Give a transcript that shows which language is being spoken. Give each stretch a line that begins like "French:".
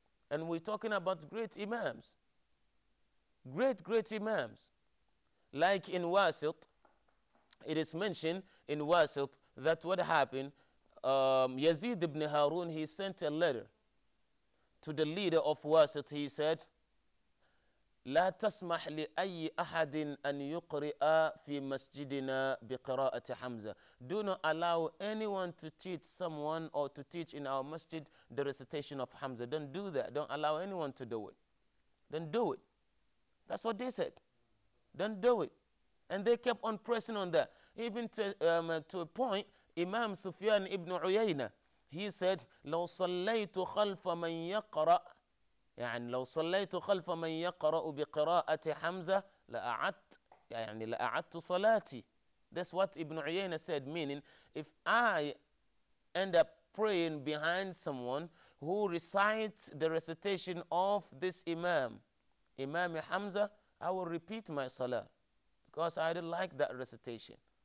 English: and we're talking about great Imams, great Imams, like in Wasit, it is mentioned in Wasit that what happened, Yazid ibn Harun, he sent a letter to the leader of Wasit.
Arabic: He said, لا تسمح لأي أحد أن يقرأ في مسجدنا بقراءة حمزة.
English: Do not allow anyone to teach someone or to teach in our masjid the recitation of Hamza. Don't do that. Don't allow anyone to do it. Don't do it. That's what they said. Don't do it. And they kept on pressing on that. Even to a point, Imam Sufyan ibn Uyayna, he said,
Arabic: لو صليت خلف من يقرأ, يعني لو صليت خلف من يقرأ بقراءة حمزة لأعدت, يعني لأعدت صلاتي.
English: That's what Ibn Uyayna said, meaning if I end up praying behind someone who recites the recitation of this Imam, Imam Hamza, I will repeat my salah because I didn't like that recitation.